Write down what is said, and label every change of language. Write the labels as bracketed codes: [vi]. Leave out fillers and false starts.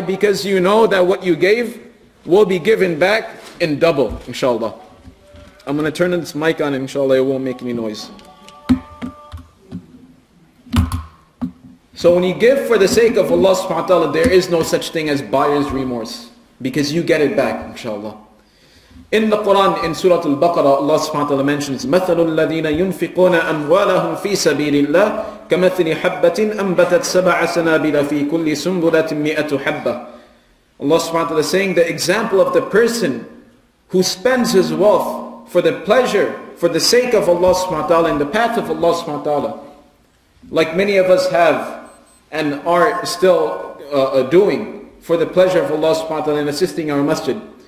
[en] Because you know that what you gave will be given back in double, inshallah. I'm going to turn this mic on, inshallah, it won't make any noise. So when you give for the sake of Allah subhanahu wa ta'ala, there is no such thing as buyer's remorse, because you get it back, inshallah. In the Quran, in Surah Al-Baqarah, Allah subhanahu wa ta'ala mentions, [ar] مَثَلُ الَّذِينَ يُنْفِقُونَ أَمْوَالَهُمْ فِي سَبِيلِ اللَّهِ كَمَثْلِ حَبَّةٍ أَنْبَتَتْ سَبَعَ سَنَابِلَ فِي كُلِّ سُنْبُلَةٍ مِئَةُ حَبَّةٍ. [en] Allah subhanahu wa ta'ala is saying, the example of the person who spends his wealth for the pleasure, for the sake of Allah subhanahu wa ta'ala, in the path of Allah subhanahu wa ta'ala, like many of us have and are still doing for the pleasure of Allah subhanahu wa ta'ala in assisting our masjid.